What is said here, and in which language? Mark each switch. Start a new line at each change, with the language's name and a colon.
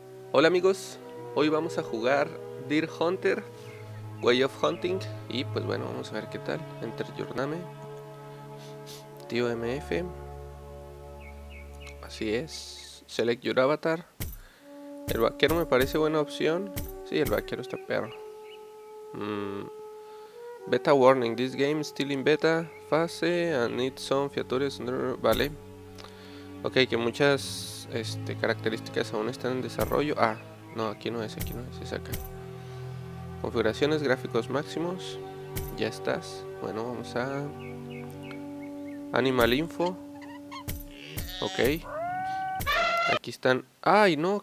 Spanish: Hola amigos, hoy vamos a jugar Deer Hunter, Way of Hunting, y pues bueno, vamos a ver qué tal.
English: Enter your name,
Spanish: tío MF, así es,
English: select your avatar.
Spanish: El vaquero me parece buena opción. Sí, el vaquero está perro.
English: Beta warning, this game is still in beta fase and need some features.
Spanish: Vale. Ok, que muchas características aún están en desarrollo. Ah, no, aquí no es, es acá. Configuraciones, gráficos máximos. Ya estás. Bueno, vamos a Animal Info. Ok. Aquí están. ¡Ay, no!